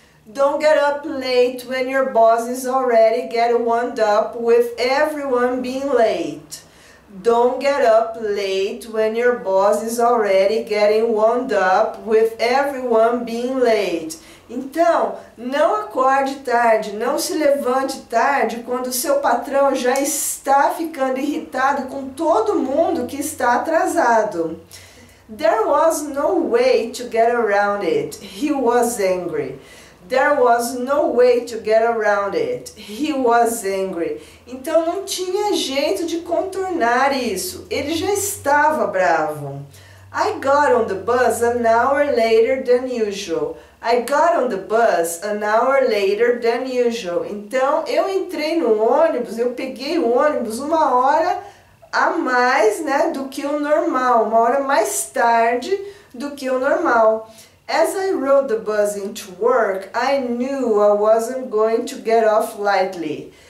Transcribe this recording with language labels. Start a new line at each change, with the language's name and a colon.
English: Don't get up late when your boss is already getting wound up with everyone being late. Don't get up late when your boss is already getting wound up with everyone being late.
Portuguese: Então, não acorde tarde, não se levante tarde quando o seu patrão já está ficando irritado com todo mundo que está atrasado.
English: There was no way to get around it. He was angry. There was no way to get around it. He was angry.
Portuguese: Então, não tinha jeito de contornar isso. Ele já estava bravo.
English: I got on the bus an hour later than usual. I got on the bus an hour later than usual.
Portuguese: Então, eu entrei no ônibus, eu peguei o ônibus uma hora a mais, né, do que o normal. Uma hora mais tarde do que o normal.
English: As I rode the bus into work, I knew I wasn't going to get off lightly.